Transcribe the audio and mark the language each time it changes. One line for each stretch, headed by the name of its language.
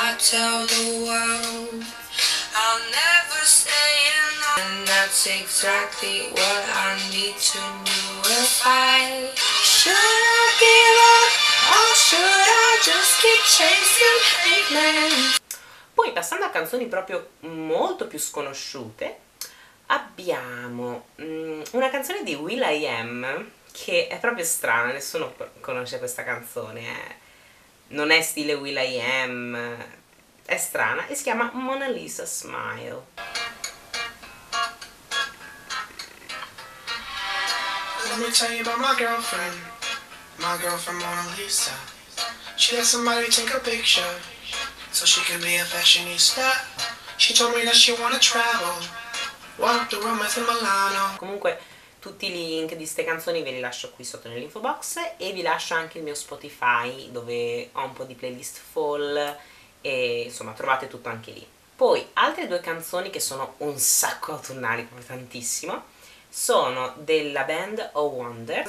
English: Tell the world I'll never stay in love, and that's exactly what I need to know. If I should I give up, or should I just keep chasing pavements?
Italian: Poi, passando a canzoni proprio molto più sconosciute, abbiamo una canzone di Will.i.am che è proprio strana, nessuno conosce questa canzone, non è stile Will.i.am. È strana e si chiama Mona Lisa Smile.
English: Let me tell you about my girlfriend Mona Lisa. She let somebody take a picture so she could be a fashionista. She told me that she wanna travel, walk the room with Milano.
Italian: Comunque tutti i link di queste canzoni ve li lascio qui sotto nell'info box e vi lascio anche il mio Spotify dove ho un po' di playlist fall. E insomma, trovate tutto anche lì. Poi altre due canzoni che sono un sacco autunnali, proprio tantissimo, sono della band Oh Wonder.